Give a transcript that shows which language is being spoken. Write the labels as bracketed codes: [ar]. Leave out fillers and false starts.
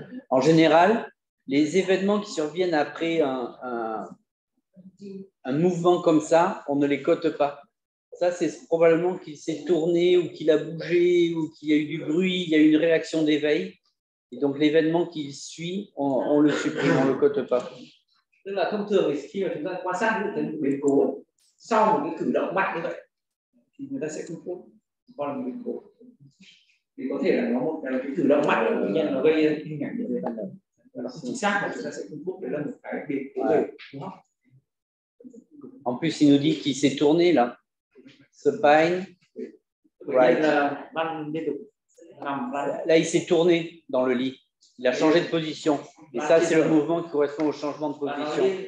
[fr] En général, les événements qui surviennent après un mouvement comme ça, on ne les cote pas. Ça, c'est probablement qu'il s'est tourné ou qu'il a bougé ou qu'il y a eu du bruit, il y a eu une réaction d'éveil. Et donc l'événement qui suit, on le supprime, on le cote pas. [vi] Tức là thông thường thì khi mà chúng ta quan sát những cái biến cố sau một cái cử động mạnh như vậy, thì người ta sẽ không cốt. Còn biến cố thì có thể là nó một cái cử động mạnh nguyên nhân nó gây hình ảnh như vậy ban đầu, và nó không chính xác mà chúng ta sẽ không cốt. Đấy là một cái biến cố đấy, đúng không? [fr] En plus, il nous dit qu'il s'est tourné là, ce bain, [en] right? [vi] Là ban liên tục. [fr] Là, il s'est tourné dans le lit. Il a changé de position. Et ça, c'est le mouvement qui correspond au changement de position.